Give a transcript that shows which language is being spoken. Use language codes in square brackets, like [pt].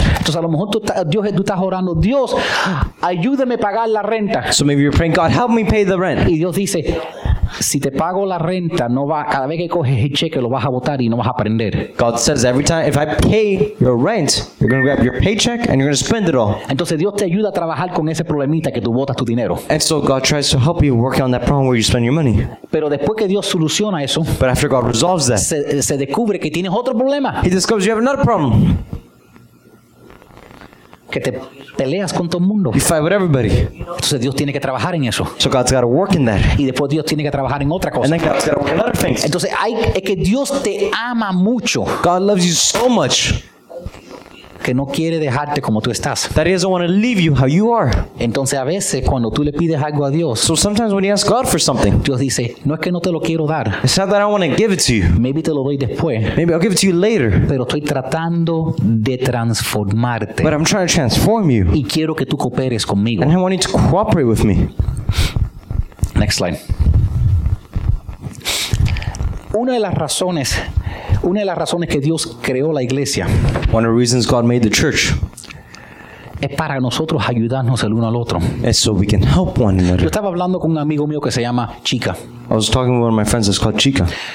[es] Entonces a lo mejor tú estás orando, Dios, ayúdame a pagar la renta. [en] So maybe you're praying, God, help me pay the rent. [es] Y Dios dice, si te pago la renta, no va, cada vez que coges el cheque lo vas a botar y no vas a aprender. [en] God says every time, if I pay your rent, you're going to grab your paycheck and you're going to spend it all. [es] Entonces Dios te ayuda a trabajar con ese problemita que tú botas tu dinero. [en] And so God tries to help you work on that problem where you spend your money. [es] Pero después que Dios soluciona eso, [en] but after God resolves that, [es] se descubre que tienes otro problema. [en] He discovers you have another problem. [es] Que te peleas con todo el mundo. [en] You fight with everybody. [es] Entonces Dios tiene que trabajar en eso. [en] So God's got to work in that. [es] Y después Dios tiene que trabajar en otra cosa. [en] And then God's got to work in other things. [es] Entonces es que Dios te ama mucho. [en] God loves you so much. [es] Que no quiere dejarte como tú estás. [en] That he doesn't want to leave you how you are. [es] Entonces a veces cuando tú le pides algo a Dios. [en] So sometimes when you ask God for something. [es] Dios dice, no es que no te lo quiero dar. [en] It's not that I want to give it to you. Maybe [es] te lo doy después. [en] Maybe I'll give it to you later. [es] Pero estoy tratando de transformarte. [en] But I'm trying to transform you. [es] Y quiero que tú cooperes conmigo. [en] And I want you to cooperate with me. Next slide. [es] Una de las razones que Dios creó la iglesia. [en] One of the reasons God made the church. [es] Es para nosotros ayudarnos el uno al otro. [en] It's so we can help one another. [es] Yo estaba hablando con un amigo mío que se llama Chica. [en] I was talking with one of my friends that's called Chica.